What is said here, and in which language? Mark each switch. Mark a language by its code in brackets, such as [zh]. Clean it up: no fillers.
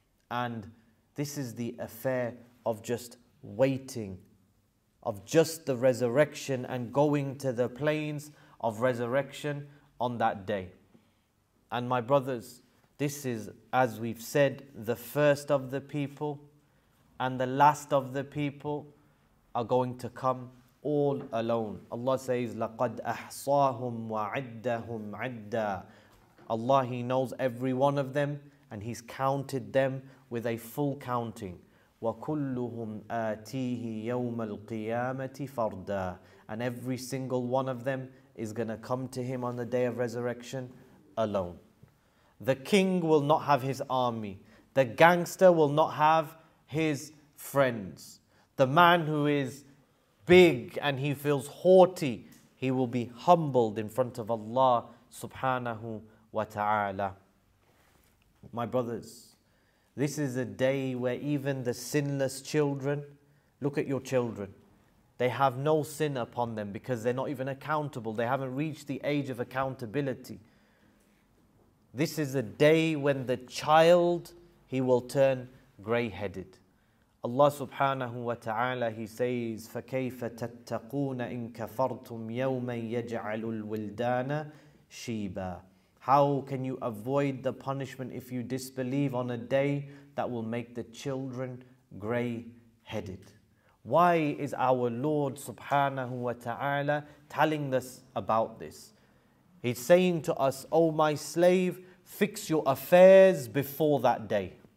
[en] And this is the affair of just waiting, of just the resurrection and going to the plains of resurrection on that day. And my brothers, this is, as we've said, the first of the people and the last of the people are going to come all alone. Allah says, [ar] لَقَدْ أَحْصَاهُمْ وَعِدَّهُمْ عِدَّا. [en] Allah, He knows every one of them and He's counted them with a full counting. [ar] وَكُلُّهُمْ آتِيهِ يَوْمَ الْقِيَامَةِ فَرْدًا. [en] And every single one of them is going to come to Him on the day of resurrection alone. The king will not have his army. The gangster will not have his friends. The man who is big and he feels haughty, he will be humbled in front of Allah subhanahu wa ta'ala. My brothers, this is a day where even the sinless children, look at your children. They have no sin upon them because they're not even accountable. They haven't reached the age of accountability. This is a day when the child, he will turn grey-headed. Allah subhanahu wa ta'ala, He says, [ar] فَكَيْفَ تَتَّقُونَ إِن كَفَرْتُمْ يَوْمًا يَجْعَلُ الْوِلْدَانَ شِيبًا. [en] How can you avoid the punishment if you disbelieve on a day that will make the children grey-headed? Why is our Lord subhanahu wa ta'ala telling us about this? He's saying to us, O my slave, fix your affairs before that day.